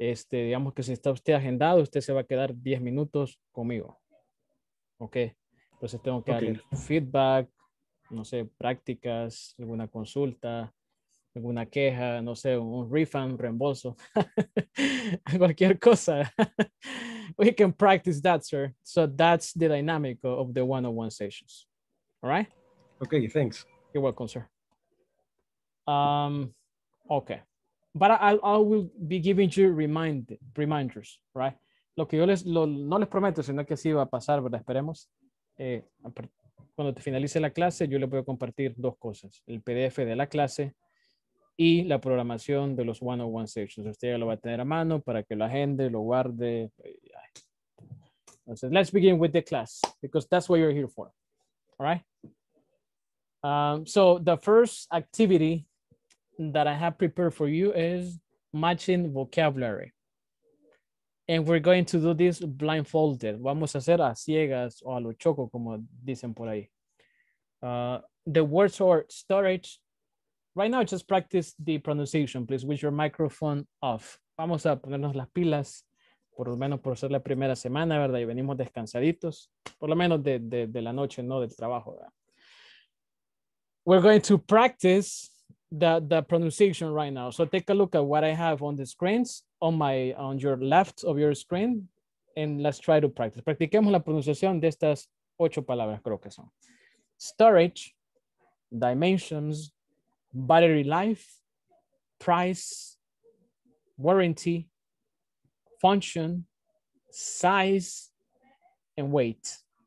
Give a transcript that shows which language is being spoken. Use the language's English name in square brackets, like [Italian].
[Spanish] Digamos que si está usted agendado, usted se va a quedar 10 minutos conmigo. ¿Ok? Entonces tengo que darle feedback, no sé, prácticas, alguna consulta, alguna queja, no sé, un refund, reembolso, cualquier cosa. [English] We can practice that, sir. So that's the dynamic of the one-on-one sessions. All right? Okay, thanks. You're welcome, sir. Okay. But I will be giving you reminders, right? [Spanish] Lo que yo les, no les prometo, sino que así va a pasar, ¿verdad? Esperemos. Cuando te finalice la clase, yo les voy a compartir dos cosas. El PDF de la clase y la programación de los one-on-one sessions. Usted ya lo va a tener a mano para que lo agende, lo guarde. [English] So let's begin with the class, because that's what you're here for. All right? So the first activity that I have prepared for you is matching vocabulary. And we're going to do this blindfolded. [Spanish] Vamos a hacer a ciegas o a lo choco, como dicen por ahí. [English] The words are storage. Right now, just practice the pronunciation, please, with your microphone off. [Spanish] Vamos a ponernos las pilas, por lo menos por ser la primera semana, ¿verdad? Y venimos descansaditos, por lo menos de la noche, no del trabajo, ¿verdad? [English] We're going to practice the pronunciation right now. So take a look at what I have on the screens, on your left of your screen, and let's try to practice. [Spanish] Practiquemos la pronunciación de estas 8 palabras, creo que son. [English] Storage, dimensions, battery life, price, warranty, function, size, and weight.